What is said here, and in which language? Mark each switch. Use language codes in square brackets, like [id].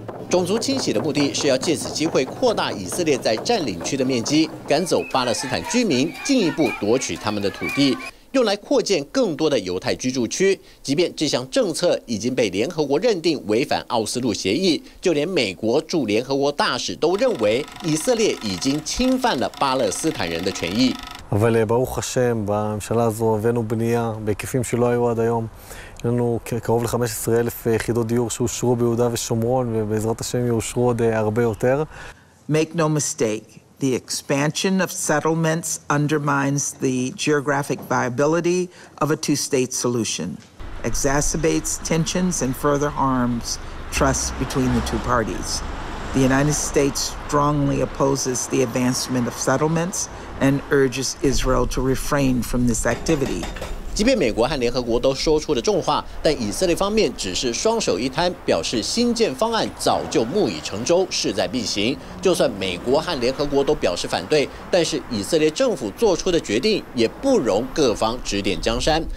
[zh] 种族清洗的目的是要借此机会扩大以色列在占领区的面积，赶走巴勒斯坦居民，进一步夺取他们的土地，用来扩建更多的犹太居住区。即便这项政策已经被联合国认定违反奥斯陆协议，就连美国驻联合国大使都认为以色列已经侵犯了巴勒斯坦人的权益。 [he] אבל ברוך השם, בממשלה הזו הבאנו בנייה בהיקפים שלא היו עד היום. יש לנו קרוב ל-15,000 יחידות דיור שאושרו ביהודה ושומרון, ובעזרת השם יאושרו עוד הרבה יותר. [en] Make no mistake. The expansion of settlements undermines the geographic viability of a two-state solution, exacerbates tensions, and further harms trust between the two parties. The United States strongly opposes the advancement of settlements and urges Israel to refrain from this activity. [zh] 即便美国和联合国都说出了重话，但以色列方面只是双手一摊，表示新建方案早就木已成舟，势在必行。就算美国和联合国都表示反对，但是以色列政府做出的决定也不容各方指点江山。